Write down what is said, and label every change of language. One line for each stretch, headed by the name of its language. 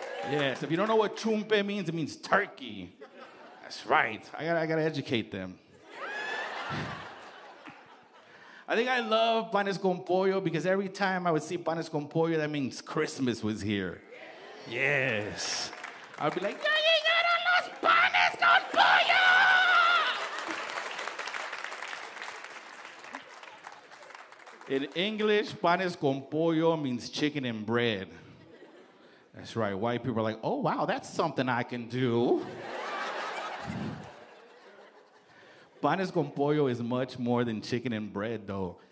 English: Yes, if you don't know what chumpe means, it means turkey. That's right. I gotta educate them. I think I love panes con pollo because every time I would see panes con pollo, that means Christmas was here. Yes. I'd be like,
Spanish: ¡ya llegaron los panes con pollo!
English: In English, panes con pollo means chicken and bread. That's right. White people are like, oh, wow, that's something I can do. Panes con pollo is much more than chicken and bread, though.